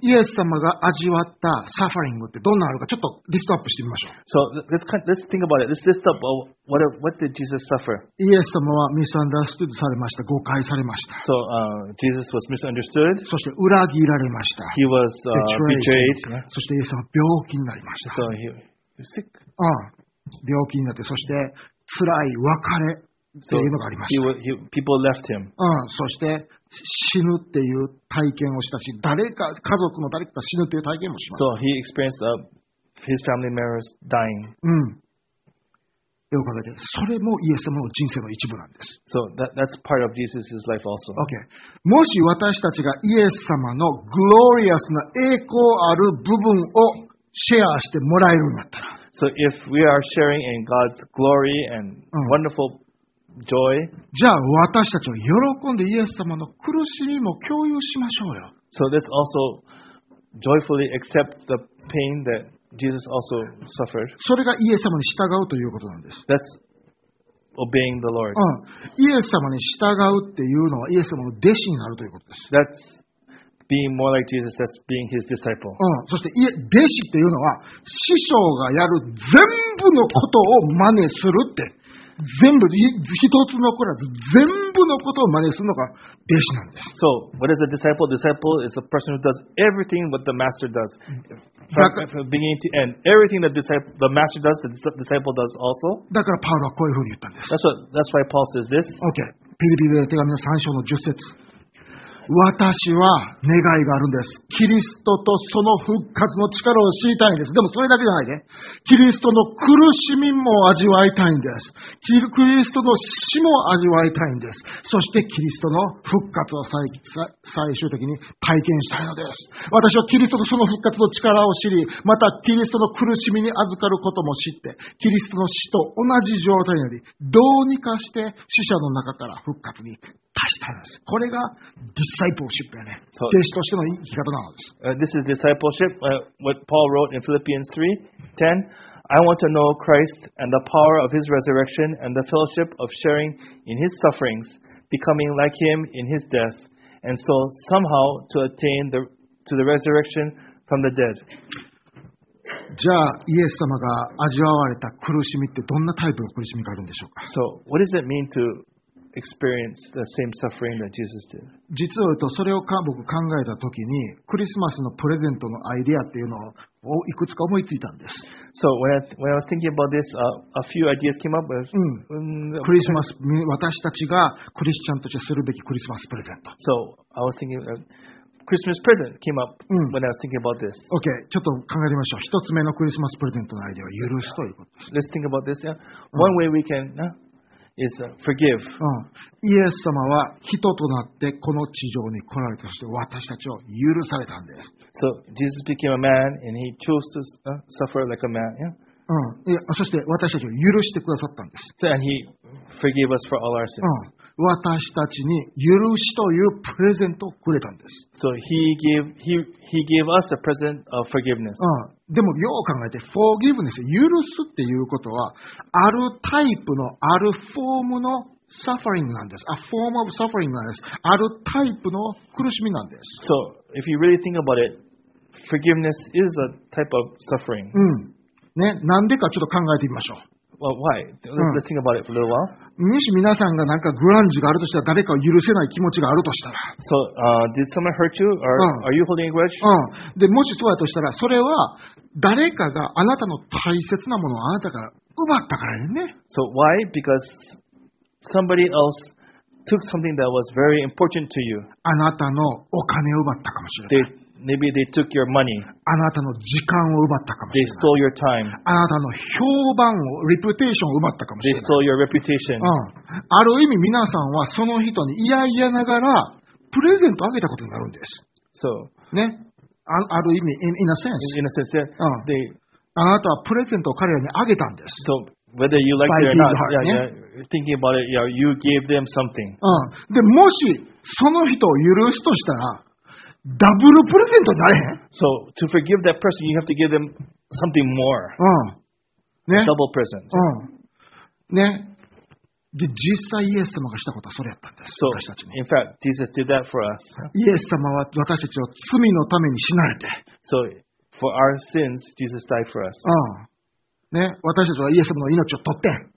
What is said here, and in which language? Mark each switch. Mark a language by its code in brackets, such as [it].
[ja] イエス様が味わったサファリングってどんなあるかちょっとリストアップしてみましょう。 [en] So let's think about it. Let's list up what did Jesus suffer? [ja] イエス様はミスアンダーストゥードされました。誤解されました。 [en] So Jesus was misunderstood. [ja] そして裏切られました。 [en] He was betrayed. [ja] そしてイエス様は病気になりました。 [en] So he was sick. [ja] 病気になって、そして辛い別れ。 [en] So people left him. [ja] そして死ぬっていう体験をしたし、誰か家族の誰か死ぬっていう体験もしました。 [en] So he experienced his family members dying. [ja] よかったです。それもイエス様の人生の一部なんです。 [en] So that's part of Jesus' life also. Okay. [ja] もし私たちがイエス様の glorious な栄光ある部分をシェアしてもらえるんだったら、 [en] So if we are sharing in God's glory and wonderful joy, [ja] じゃあ私たちも喜んでイエス様の苦しみも共有しましょうよ。 [en] So let's also joyfully accept the pain that Jesus also suffered. [ja] それがイエス様に従うということなんです。 [en] That's obeying the Lord. [ja] イエス様に従うっていうのはイエス様の弟子になるということです。 [en] That's being more like Jesus. That's being his disciple. [ja] そして弟子っていうのは師匠がやる全部のことを真似するって。全部一つ残らず全部のことを真似するのが弟子なんです。 [en] So, what is a disciple? Disciple is a person who does everything what the master does, from beginning to end. Everything that the master does, the disciple does also. [ja] だからパウロはこういうふうに言ったんです。 [en] That's why Paul says this. Okay. [ja] ピリピリの手紙の3章の10節。私は願いがあるんです。キリストとその復活の力を知りたいんです。でもそれだけじゃないね。キリストの苦しみも味わいたいんです。キリストの死も味わいたいんです。そしてキリストの復活を最終的に体験したいのです。私はキリストとその復活の力を知り、またキリストの苦しみに預かることも知って、キリストの死と同じ状態により、どうにかして死者の中から復活に足したんです。これがディスサイプルシップやね。 [en] So, [ja] 弟子としての生き方なんです。 [en] This is discipleship, what Paul wrote in Philippians 3:10. I want to know Christ and the power of his resurrection and the fellowship of sharing in his sufferings, becoming like him in his death, and so somehow to attain to the resurrection from the dead. [ja] じゃあイエス様が味わわれた苦しみってどんなタイプの苦しみがあるんでしょうか。 [en] So what does it mean to experience the same suffering that Jesus did? [ja] 実を言うとそれを僕考えた時にクリスマスのプレゼントのアイデアっていうのをいくつか思いついたんです。 [en] So when I was thinking about this, a few ideas came up. [ja] クリスマス私たちがクリスチャンとしてするべきクリスマスプレゼント。 [en] So I was thinking about Christmas present came up when I was thinking about this. Okay, [ja] ちょっと考えましょう。一つ目のクリスマスプレゼントのアイデアは許すということです。 [en] Let's think about this. Yeah. One way we can is forgive. [ja] イエス様は人となってこの地上に来られたとして私たちを許されたんです。 [en] So Jesus became a man and he chose to suffer like a man. Yeah. [ja] そして私たちを許してくださったんです。 [en] So, and he forgave us for all our sins. [ja] 私たちに許しというプレゼントをくれたんです。 [en] So he gave us a present of forgiveness. [ja] でもよく考えて、forgiveness、許すっていうことは、あるタイプの、あるフォームの suffering なんです。 [en] A form of suffering [ja] なんです。あるタイプの苦しみなんです。 [en] So if you really think about it, forgiveness is a type of suffering. [ja] ね、なんでかちょっと考えてみましょう。 [en] Well, why? Let's think about it for a little while. [ja] もし皆さんがなんかグランジがあるとしたら誰かを許せない気持ちがあるとしたら。 [en] So, did someone hurt you? Or are you holding a grudge? [ja] で、もしそうだとしたら、それは誰かがあなたの大切なものをあなたから奪ったからね。 [en] So, why? Because somebody else took something that was very important to you. [ja] あなたのお金を奪ったかもしれない。 [en] Maybe they took your money. [ja] あなたの時間を奪ったかもしれない。 [en] They stole your time. [ja] あなたの評判を、reputation を奪ったかもしれない。 [en] They stole your reputation. [ja] ある意味皆さんはその人にいやいやながらプレゼントをあげたことになるんです。 [en] So, [ja] ね、ある意味 [en] in a sense. In a sense, yeah, they, [ja] あなたはプレゼントを彼らにあげたんです。 [en] So, whether you like it or not, thinking about it, yeah, you gave them something. [ja] で、もしその人を許すとしたら、ダブルプレゼントじゃねえ。 [en] So to forgive that person, you have to give them something more. [ja] ね、 [en] double present. [ja] ね、で実際イエス様がしたことはそれやったんです。 [en] So, [ja] 私たちに。 [en] In fact, Jesus did that for us. [ja] イエス様は私たちを罪のために死なれて。 [en] So for our sins, Jesus died for us. [ja] ね、私たちはイエス様の命を取って。